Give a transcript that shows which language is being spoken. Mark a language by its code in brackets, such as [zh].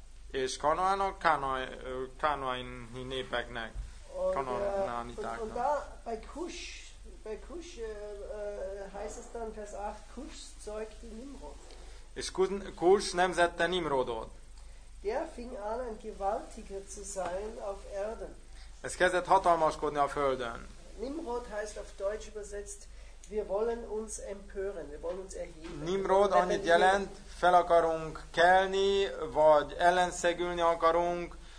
[hu] És Kanaánok, Kanaáni népeknek, Kanaánitáknak. [de] Und da bei Kush heißt es dann Vers 8, Kush zeugte Nimrod. [hu] És Kush nemzette Nimrodot. [de] Der fing an, ein gewaltiger zu sein auf Erden. [hu] Es kezdett hatalmaskodni a földön. [de] Nimrod heißt auf Deutsch übersetzt, wir wollen uns empören, wir wollen uns erheben. [hu] Nimrod annyit jelent, fel akarunk kelni, vagy ellenszegülni akarunk,